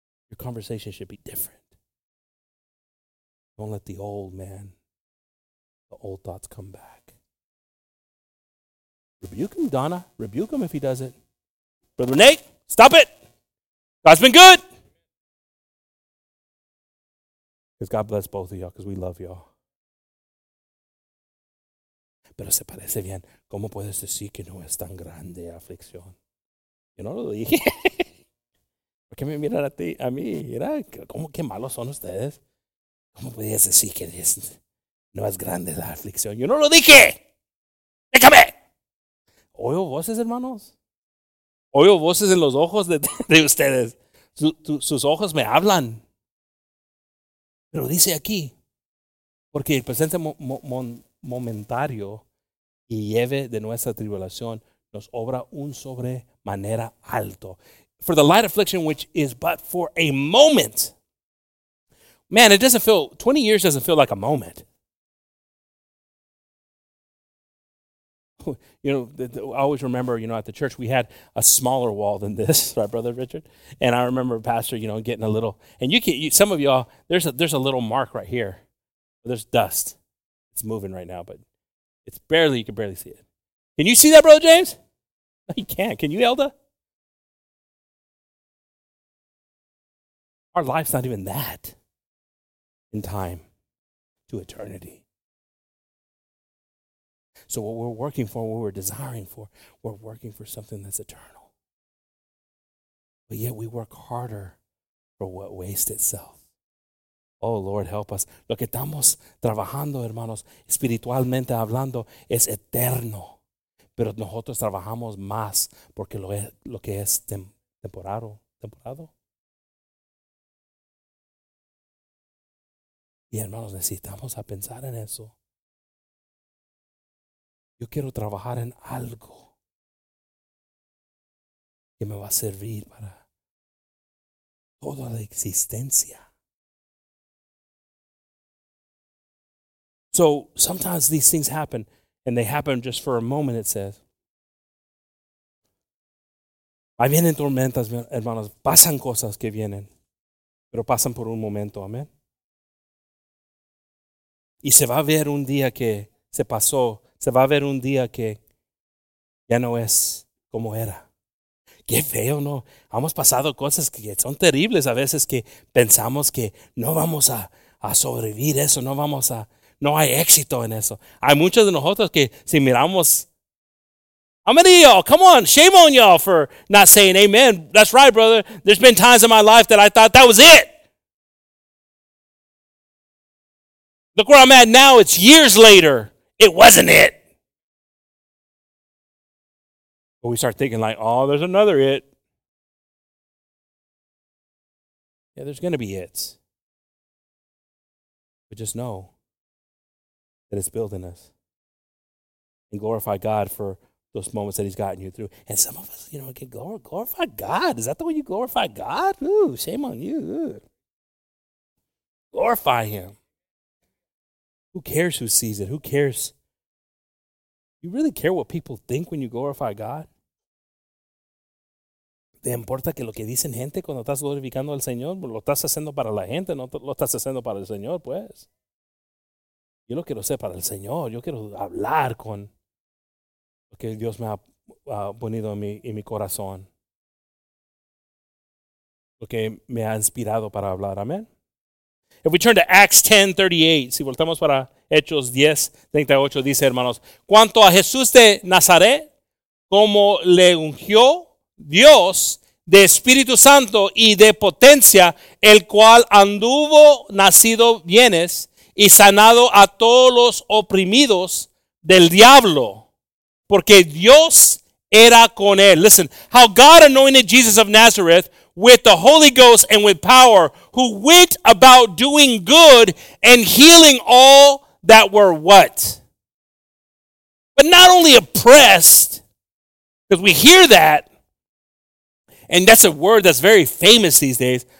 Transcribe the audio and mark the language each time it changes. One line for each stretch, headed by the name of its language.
English: Your conversation should be different. Don't let the old thoughts come back. Rebuke him, Donna. Rebuke him if he does it. Brother Nate, stop it. God's been good. God bless both of y'all because we love y'all.
Spanish: Pero se parece bien. ¿Cómo puedes decir que no es tan grande aflicción? Yo no lo dije. ¿Por qué me miran a ti? A mí, mira, ¿cómo qué malos son ustedes? ¿Cómo puedes decir que no es grande la aflicción? Yo no lo dije. ¡Déjame! Oigo voces, hermanos. Oigo voces en los ojos de ustedes. Sus ojos me hablan. Pero dice aquí, porque el presente momentario y lleve de nuestra tribulación nos obra un sobremanera alto.
English: For the light affliction which is but for a moment. Man, it doesn't feel, 20 years doesn't feel like a moment. You know, I always remember, you know, at the church we had a smaller wall than this, right, Brother Richard? And I remember Pastor, you know, getting a little, and some of y'all, there's a little mark right here. There's dust. It's moving right now, but it's barely, you can barely see it. Can you see that, Brother James? No, you can't. Can you, Elda? Our life's not even that in time to eternity. So what we're working for, what we're desiring for, we're working for something that's eternal. But yet we work harder for what wastes itself. Oh, Lord, help us.
Spanish: Lo que estamos trabajando, hermanos, espiritualmente hablando, es eterno. Pero nosotros trabajamos más porque lo que es temporado. Y hermanos, necesitamos a pensar en eso. Yo quiero trabajar en algo que me va a servir para toda la existencia.
English: So sometimes these things happen, and they happen just for a moment, it says.
Spanish: Ahí vienen tormentas, hermanos. Pasan cosas que vienen, pero pasan por un momento, amén. Y se va a ver un día que se pasó. Se va a ver un día que ya no es como era. Qué feo, ¿no? Hemos pasado cosas que son terribles a veces que pensamos que no vamos a sobrevivir eso, no hay éxito en eso. Hay muchos de nosotros que si miramos
English: How many of y'all? Come on, shame on y'all for not saying amen. That's right, brother. There's been times in my life that I thought that was it. Look where I'm at now. It's years later. It wasn't it. But we start thinking like, oh, there's another it. Yeah, there's going to be it. But just know that it's building us. And glorify God for those moments that he's gotten you through. And some of us, you know, can glorify God. Is that the way you glorify God? Ooh, shame on you. Glorify him. Who cares who sees it? Who cares? You really care what people think when you glorify God?
Spanish: ¿Te importa que lo que dicen gente cuando estás glorificando al Señor? Lo estás haciendo para la gente, no lo estás haciendo para el Señor, pues. Yo lo quiero hacer para el Señor. Yo quiero hablar con lo que Dios me ha ponido en mi corazón. Lo que me ha inspirado para hablar. Amén.
English: If we turn to Acts 10:38,
Spanish: si voltamos para Hechos 10:38, dice, hermanos, cuanto a Jesús de Nazaret, como le ungió Dios de Espíritu Santo y de potencia, el cual anduvo nacido bienes y sanado a todos los oprimidos del diablo, porque Dios era con él.
English: Listen, how God anointed Jesus of Nazareth with the Holy Ghost and with power, who went about doing good and healing all that were what? But not only oppressed, because we hear that, and that's a word that's very famous these days.